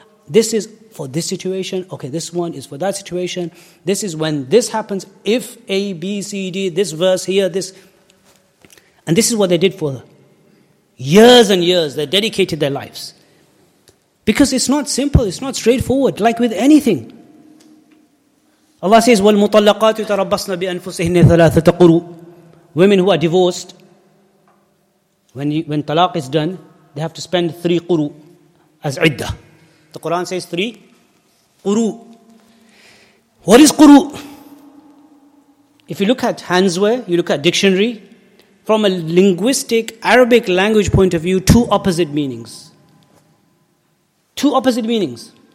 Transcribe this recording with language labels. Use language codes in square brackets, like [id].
[en] This is for this situation. Okay, this one is for that situation. This is when this happens. If A, B, C, D, this verse here, this. And this is what they did for years and years. They dedicated their lives. Because it's not simple. It's not straightforward. Like with anything. Allah says, [ar] وَالْمُطَلَّقَاتُ تَرَبَّصْنَ بِأَنفُسِهِنَّ ثَلَاثَةَ قُرُوءٍ. [en] Women who are divorced, when talaq is done, they have to spend 3 quru as idda. The Quran says 3 quru. What is quru? If you look at Hanswear, you look at dictionary, from a linguistic Arabic language point of view, two opposite meanings. Two opposite meanings.